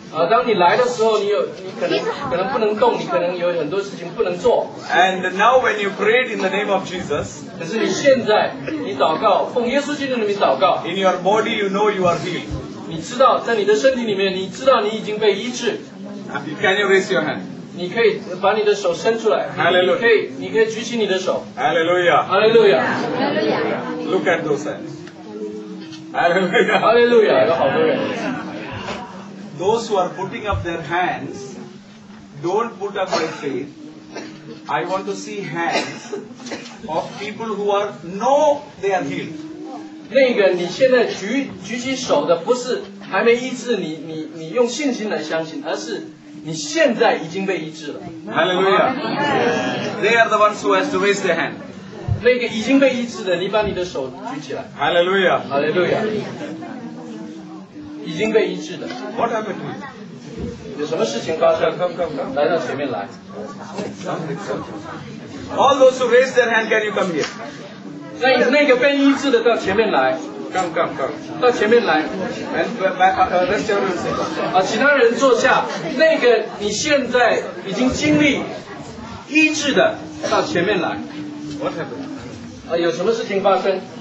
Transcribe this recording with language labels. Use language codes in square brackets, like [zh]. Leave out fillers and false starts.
[zh] 当你来的时候，你可能不能动，你可能有很多事情不能做。 [en] And now when you prayed in the name of Jesus. [zh] 可是你现在你祷告，奉耶稣基督的名祷告。 [en] In your body, you know you are healed. [zh] 你知道在你的身体里面，你知道你已经被医治。 [en] Can you raise your hand? [zh] 你可以把你的手伸出来。 [en] Hallelujah. [zh] 你可以举起你的手。 [en] Hallelujah. Hallelujah. Look at those hands. Hallelujah. [zh] Hallelujah. 有好多人。 [en] Those who are putting up their hands, don't put up by faith. I want to see hands of people who are know they are healed. [zh] 那个你现在举起手的不是还没医治你用信心来相信，而是你现在已经被医治了。 [en] Hallelujah. They are the ones who has to raise their hand. [zh] 那个已经被医治的，你把你的手举起来。 [en] Hallelujah. [zh] Hallelujah. 已经被医治的。 [en] What happened? [zh] 有什么事情发生？ [en] Come. [zh] 来到前面来。 [en] All those who raise their hand, can you come here? [zh] 那个被医治的到前面来。 [en] Come. [zh] 到前面来。 [en] And let's tell them to sit. [zh] 啊，其他人坐下。那个你现在已经经历医治的到前面来。 [en] What happened? [zh] 有什么事情发生？